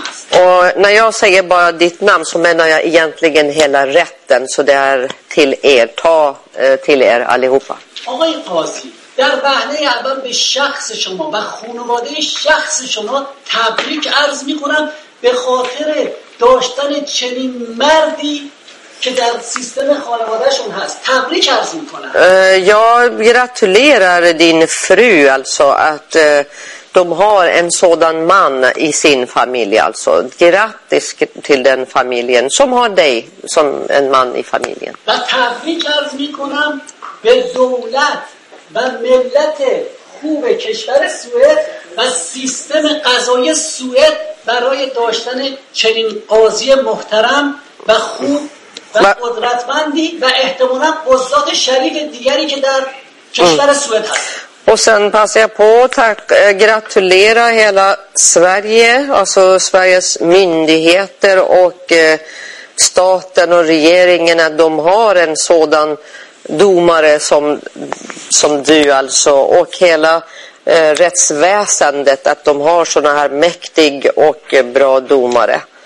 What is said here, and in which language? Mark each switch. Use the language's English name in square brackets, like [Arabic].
[Swedish] Och när jag säger bara ditt namn så menar jag egentligen hela rätten. Så det är till er, ta till er allihopa. [Persian] در وهله اول به شخص شما و خانواده شخص شما تبریک عرض می کنم به خاطر داشتن چنین مردی که در سیستم خانوادهشون هست. تبریک عرض می کنم. [Swedish] Jag gratulerar din fru alltså att de har en sådan man i sin familj alltså. Grattis till den familjen som har dig som en man i familjen. [Persian] و تبریک عرض می کنم به دولت و ملت خوب کشور سوئد و سیستم قضایی سوئد برای داشتن چنین قاضی محترم و خوب و قدرتمندی و احتمالا قضات شریف دیگری که در کشور سوئد هست. [Swedish] Och sen passar jag på att gratulera hela Sverige, alltså Sveriges myndigheter och staten och regeringen att de har en sådan domare som du alltså och hela rättsväsendet att de har såna här mäktig och bra domare.